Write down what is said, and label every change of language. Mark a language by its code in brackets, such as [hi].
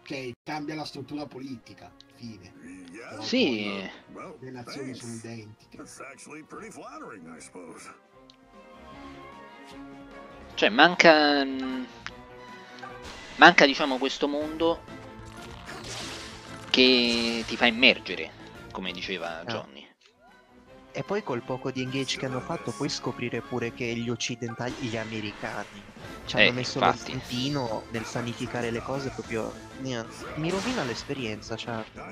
[it] Ok, cambia la struttura politica, fine. Sì. Le nazioni sono identiche. [en] It's actually pretty flattering, I suppose. [it] Cioè, manca diciamo questo mondo che ti fa immergere, come diceva Johnny. E poi col poco di engage che hanno fatto puoi scoprire pure che gli occidentali, gli americani, ci hanno messo lo stentino nel sanificare le cose, proprio mi rovina l'esperienza, cioè.